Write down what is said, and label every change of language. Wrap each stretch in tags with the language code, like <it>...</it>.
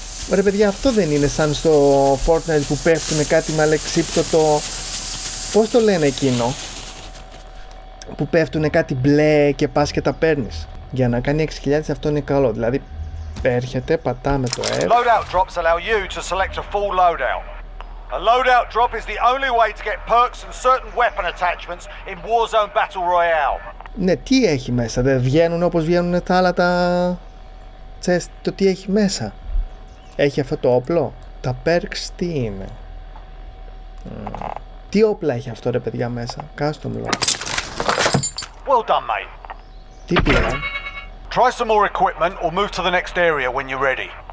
<el>Ωραία, παιδιά, αυτό δεν είναι σαν στο Fortnite που πέφτουνε κάτι με αλεξίπτωτο. Πώς το λένε εκείνο. που πέφτουν κάτι μπλε και πας και τα παίρνεις. Για να κάνει 6.000 αυτό είναι καλό. Δηλαδή έρχεται, πατάμε το F.</el> <en>Loadout drops allow you to select a full loadout. A loadout drop is the only way to get perks and certain weapon attachments in Warzone Battle Royale.</en> <el>Ναι, τι έχει μέσα, δεν βγαίνουν όπως βγαίνουν τα άλλα τα... chest, το τι έχει μέσα. Έχει αυτό το όπλο. Τα perks τι είναι. Τι όπλα έχει αυτό ρε παιδιά μέσα, custom lock.</el> <en>Well done, mate.</en> <el>Τι πήρα.</el> <en>Try some more equipment or move to the next area when you're ready.</en>